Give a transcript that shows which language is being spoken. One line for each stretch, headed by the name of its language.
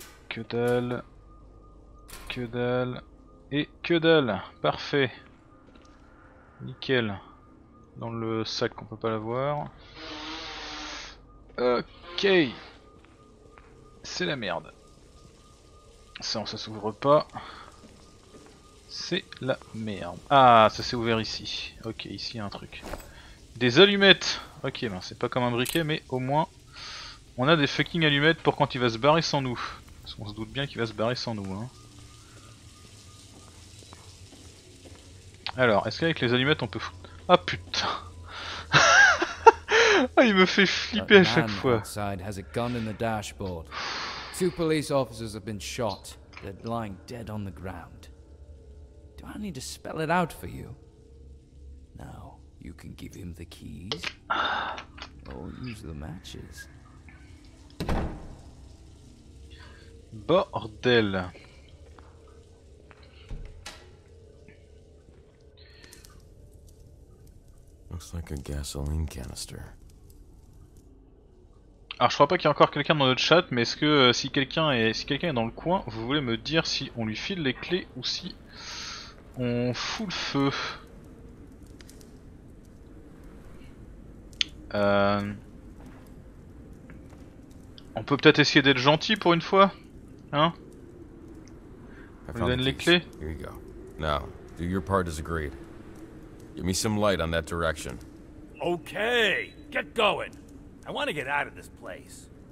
French: Que dalle, que dalle, et que dalle, parfait, nickel, dans le sac on peut pas l'avoir, ok, c'est la merde, ça on ça s'ouvre pas, c'est la merde, ah ça s'est ouvert ici, ok ici y a un truc, des allumettes, ok ben c'est pas comme un briquet mais au moins on a des fucking allumettes pour quand il va se barrer sans nous. Parce qu'on se doute bien qu'il va se barrer sans nous, hein. Alors, est-ce qu'avec les allumettes on peut foutre... Ah putain. Ah, il me fait flipper à chaque fois.
English: Outside has a gun in the dashboard. Two police officers have been shot. They're lying dead on the ground. Do I need to spell it out for you? Now, you can give him the keys. Or use the matches.
French: Bordel.
English: Looks like a gasoline canister.
French: Alors je crois pas qu'il y a encore quelqu'un dans notre chat, mais est-ce que si quelqu'un est dans le coin, vous voulez me dire si on lui file les clés ou si on fout le feu. On peut peut-être essayer d'être gentil pour une fois. Hein? Vous donnez les clés?
English: Here you go. Now, do your part as agreed. Give me some light on that direction. Okay, get going. I want to get out of this place.